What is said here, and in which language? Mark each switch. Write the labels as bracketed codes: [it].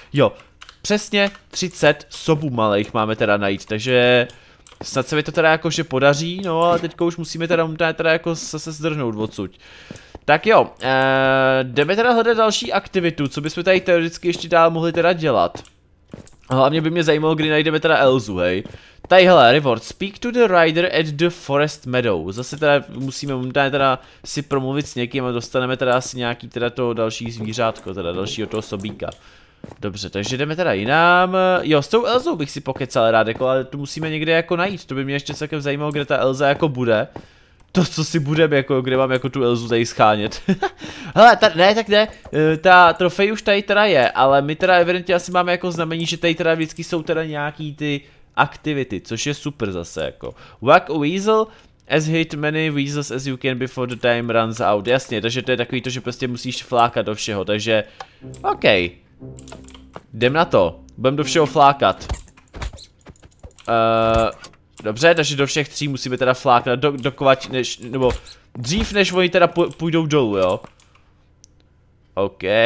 [cs] Jo, přesně 30 sobů malých máme teda najít, takže... Snad se mi to teda jakože podaří, no ale teďko už musíme teda jako se zdrhnout odsud. Tak jo, jdeme teda hledat další aktivitu, co bychom tady teoreticky ještě dál mohli teda dělat. Hlavně by mě zajímalo, kdy najdeme teda Elzu, hej. Tady hele, [en] reward, speak to the rider at the forest meadow. [cs] Zase teda musíme momentálně teda si promluvit s někým a dostaneme teda asi nějaký teda to další zvířátko, teda dalšího toho sobíka. Dobře, takže jdeme teda jinam. Jo, s tou Elzou bych si pokecal rád, jako, ale tu musíme někde jako najít. To by mě ještě celkem zajímalo, kde ta Elza jako bude. To, co si budeme, jako, kde mám jako tu Elzu tady schánět. Hele, ta, ne, tak ne, ta trofej už tady teda je, ale my teda evidentně asi máme jako znamení, že tady teda vždycky jsou teda nějaký ty aktivity, což je super zase, jako. [en] Whack a weasel as hit many weasels as you can before the time runs out. [cs] Jasně, takže to je takový to, že prostě musíš flákat do všeho, takže, okej. Okay. Jdem na to, budem do všeho flákat. Dobře, takže do všech tří musíme teda fláknat, dokovač, než, nebo dřív než oni teda půjdou dolů, jo. OK.